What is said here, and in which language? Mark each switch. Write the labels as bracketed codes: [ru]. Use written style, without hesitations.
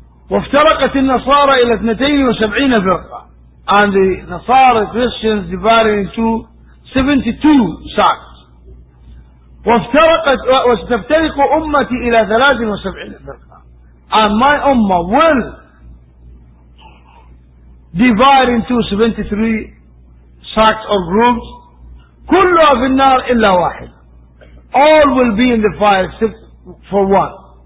[ar] وافترقت النصارى إلى 72 فرقة. [en] And the Nasara Christians divided into 72 sects. [ar] وافترقت وستفترق أمتي إلى 73 فرقة. [en] And my Ummah will divide into 73 sects or groups. [ar] كل في النار إلا واحد. [en] All will be in the fire except for one.